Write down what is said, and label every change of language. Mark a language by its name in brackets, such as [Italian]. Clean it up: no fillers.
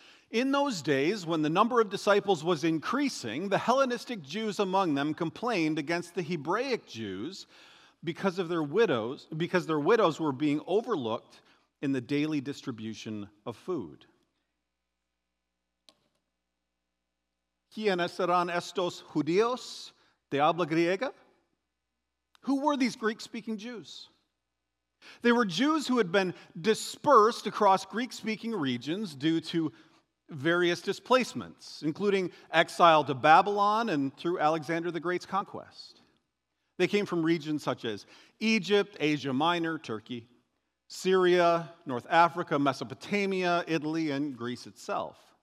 [English] In those days, when the number of disciples was increasing, the Hellenistic Jews among them complained against the Hebraic Jews because their widows were being overlooked in the daily distribution of food. [Spanish] ¿Quiénes eran estos judíos de habla griega? [English] Who were these Greek-speaking Jews? They were Jews who had been dispersed across Greek-speaking regions due to various displacements, including exile to Babylon and through Alexander the Great's conquest. They came from regions such as Egypt, Asia Minor, Turkey, Syria, North Africa, Mesopotamia, Italy, and Greece itself.